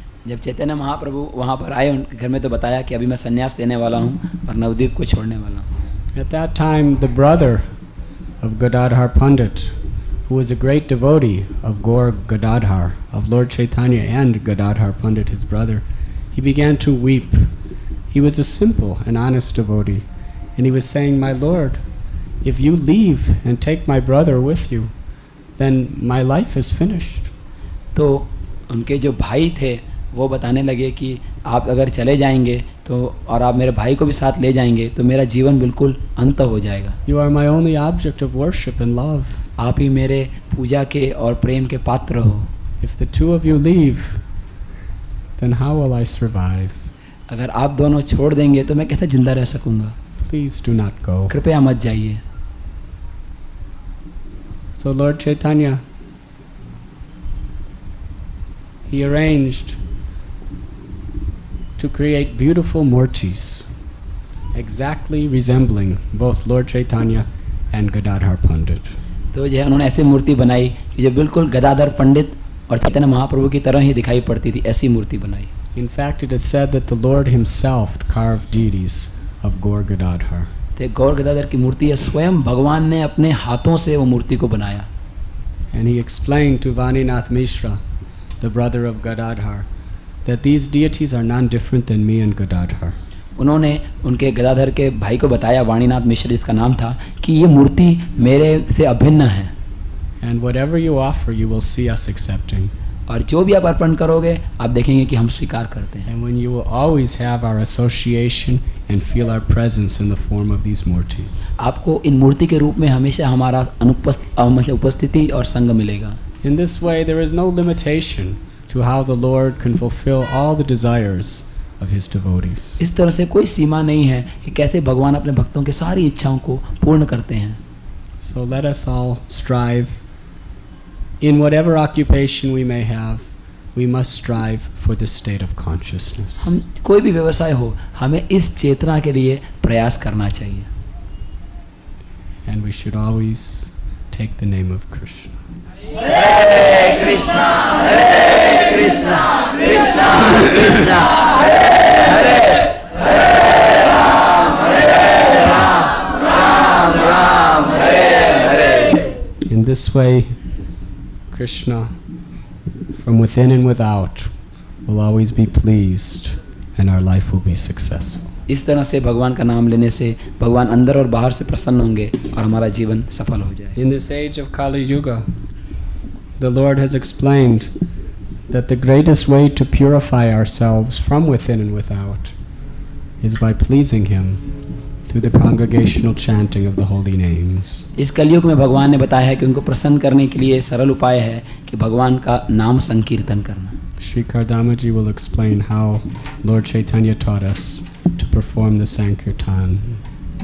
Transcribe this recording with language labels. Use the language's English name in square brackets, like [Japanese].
[Hindi] जब चैतन्य महाप्रभु वहाँ पर आए उनके घर में तो बताया कि अभी मैं सन्यास लेने वाला हूँ और नवद्वीप को छोड़ने वाला हूँ. [English] At that time, the brother of Gadadhar Pandit, who was a great devotee of Gaur Gadadhar, of Lord Chaitanya and Gadadhar Pandit, his brother, he began to weep. He was a simple and honest devotee. And he was saying, my Lord, if you leave and take my brother with you, then my life is finished. [Hindi] तो उनके जो भाई थे वो बताने लगे कि आप अगर चले जाएंगे तो और आप मेरे भाई को भी साथ ले जाएंगे तो मेरा जीवन बिल्कुल अंत हो जाएगा. [English] You are my only object of worship and love. [Hindi] आप ही मेरे पूजा के और प्रेम के पात्र हो. [English] If the two of you leave, then how will I survive? [Hindi] अगर आप दोनों छोड़ देंगे तो मैं कैसे जिंदा रह सकूंगा? [English] Please do not go. [Hindi] कृपया मत जाइए. [English] So Lord Chaitanya, he arranged to create beautiful murtis exactly resembling both Lord Chaitanya and Gadadhar Pandit. [Hindi] तो यह उन्होंने ऐसी मूर्ति बनाई कि जो बिल्कुल गदाधर पंडित और चैतन्य महाप्रभु की तरह ही दिखाई पड़ती थी, ऐसी मूर्ति बनाई. [English] In fact, it is said that the Lord himself carved deities of Gaur Gadadhar. [Hindi] तो गौर गदाधर की मूर्ति है, स्वयं भगवान ने अपने हाथों से वो मूर्ति को बनाया. [English] And he explained to Vaninath Mishra, the brother of Gadadhar, that these deities are none different than me and Gadadhar. [Hindi] उन्होंने उनके गदाधर के भाई को बताया, वाणीनाथ मिश्र जिसका नाम था, कि ये मूर्ति मेरे से अभिन्न है. [English] And whatever you offer, you will see us accepting. [Hindi] और जो भी आप अर्पण करोगे, आप देखेंगे कि हम स्वीकार करते हैं. [English] And when you will always have our association and feel our presence in the form of these murtis. [Hindi] आपको इन मूर्ति के रूप में हमेशा हमारा उपस्थिति और संग मिलेगा. [English] In this way, there is no limitation to how the Lord can fulfill all the desires of His devotees. [Hindi] इस तरह से कोई सीमा नहीं है कि कैसे भगवान अपने भक्तों की सारी इच्छाओं को पूर्ण करते हैं. [English] So let us all strive. In whatever occupation we may have, we must strive for this state of consciousness. [Hindi] हम कोई भी व्यवसाय हो, हमें इस चेतना के लिए प्रयास करना चाहिए. [English] And we should always take the name of Krishna. [Sanskrit] Hare Krishna, Hare Krishna, Krishna Krishna, Hare Hare, Hare Rama, Hare Rama, Rama Rama, Hare Hare. [English] In this way, Krishna, from within and without, will always be pleased, and our life will be successful. [Hindi] इस तरह से भगवान का नाम लेने से भगवान अंदर और बाहर से प्रसन्न होंगे और हमारा जीवन सफल हो जाए. [English] In this age of Kali Yuga, the Lord has explained that the greatest way to purify ourselves from within and without is by pleasing Him through the congregational chanting of the holy names. [Hindi] इस कलयुग में भगवान ने बताया है कि उनको प्रसन्न करने के लिए सरल उपाय है कि भगवान का नाम संकीर्तन करना. [English] Shri Kardamaji will explain how Lord Chaitanya taught us to perform the Sankirtan.